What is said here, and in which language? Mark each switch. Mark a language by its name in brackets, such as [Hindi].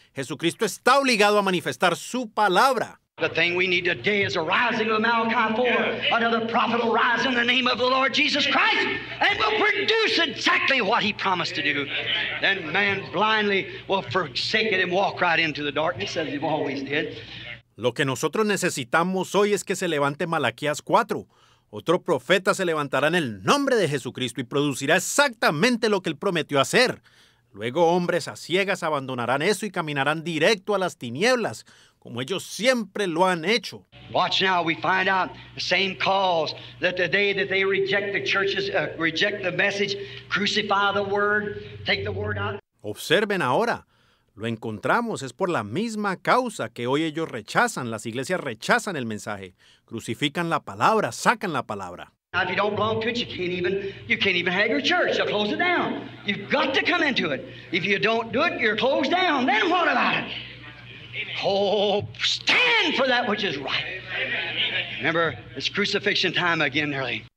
[Spanish] Jesucristo está obligado a manifestar su palabra. [English] The thing we need today is a rising of Malachi 4. Another prophet will rise in the name of the Lord Jesus Christ and will produce exactly what he promised to do. Then man blindly will forsake it and walk right into the darkness as he always did. [Spanish] Lo que nosotros necesitamos hoy es que se levante Malaquías 4. Otro profeta se levantará en el nombre de Jesucristo y producirá exactamente lo que él prometió hacer. Luego hombres a ciegas abandonarán eso y caminarán directo a las tinieblas, como ellos siempre lo han hecho. [English] Watch now, we find out the same cause that the day that they reject the churches, reject the message, crucify the word, take the word out. [Spanish] Observen ahora. Lo encontramos, es por la misma causa que hoy ellos rechazan, las iglesias rechazan el mensaje. Crucifican la palabra, sacan la palabra. [English] If you don't belong to it, you can't even have your church. They'll close it down. You've got to come into it. If you don't do it, you're closed down. Then what about it? Oh, stand for that which is right. Remember, it's crucifixion time again, nearly.